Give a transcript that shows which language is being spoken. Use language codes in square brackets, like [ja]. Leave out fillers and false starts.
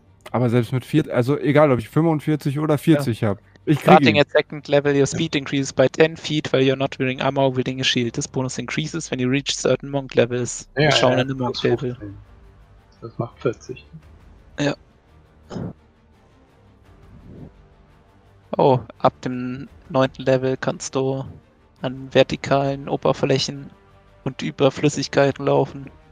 [de] Aber selbst mit 40, also egal, ob ich 45 oder 40 habe. Ich [en] starting at second level, your speed increases by 10 feet while you're not wearing armor or wielding a shield. This bonus increases when you reach certain monk levels. [de] Ja, wir schauen in den Monk Level. Das macht 40. Ja. Oh, ab dem 9. Level kannst du an vertikalen Oberflächen und über Flüssigkeiten laufen.